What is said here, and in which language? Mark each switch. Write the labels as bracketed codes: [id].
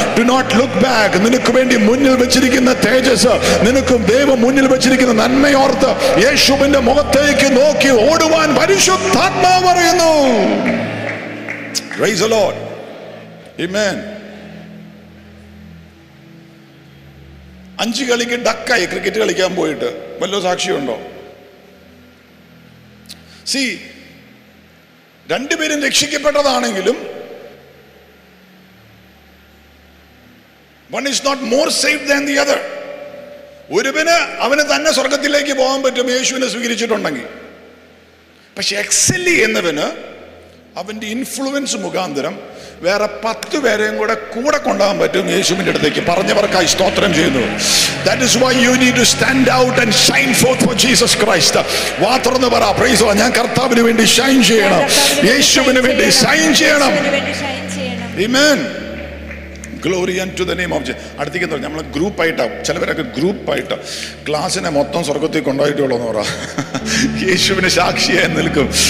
[en] Do not look back. [ml] നിനക്ക് വേണ്ടി മുന്നിൽ വെച്ചിരിക്കുന്ന തേജസ്, നിനക്കും ദൈവം മുന്നിൽ വെച്ചിരിക്കുന്ന നന്മയോർത്ത് യേശുവിന്റെ മുഖത്തേക്ക് നോക്കി ഓടുവാൻ പരിശുദ്ധാത്മാവ് പറയുന്നു. [en] Praise the Lord. Amen. [ml] അഞ്ച് കളിക്ക് ഡക്കായി ക്രിക്കറ്റ് കളിക്കാൻ പോയിട്ട്. വല്ല സാക്ഷിയുണ്ടോ? സി, രണ്ടുപേരും രക്ഷിക്കപ്പെട്ടതാണെങ്കിലും [en] one is not more saved than the other. [ml] ഒരുവനെ അവനെ തന്നെ സ്വർഗത്തിലേക്ക് പോകാൻ പറ്റും യേശുവിനെ സ്വീകരിച്ചിട്ടുണ്ടെങ്കിൽ. പക്ഷെ എക്സലി എന്നവന് അവന്റെ ഇൻഫ്ലുവൻസ് മുഖാന്തരം വേറെ 10 പേരെയും കൂടെ കൂടെ കൊണ്ടുപോകാൻ പറ്റും യേശുവിന്റെ അടുത്തേക്ക്. പറഞ്ഞവർക്കായി സ്തോത്രം ചെയ്യുന്നു. [en] That is why you need to stand out and shine forth for Jesus Christ. [ml] വാത്രന്ന് പറ, [en] praise the lord, [ml] ഞാൻ കർത്താവിന് വേണ്ടി ഷൈൻ ചെയ്യണം, യേശുവിന് വേണ്ടി ഷൈൻ ചെയ്യണം. ആമേൻ. [en] Glory to the name of Jesus. [ml] അടുത്തേക്ക് എന്താ, നമ്മൾ ഗ്രൂപ്പായിട്ടാ, ചിലവരൊക്കെ ഗ്രൂപ്പായിട്ട ക്ലാസ്സിനെ മൊത്തം സ്വർഗത്തിൽ കൊണ്ടുപോയിട്ടുള്ളൂ എന്ന് പറ, യേശുവിന് സാക്ഷിയായി നിൽക്കും.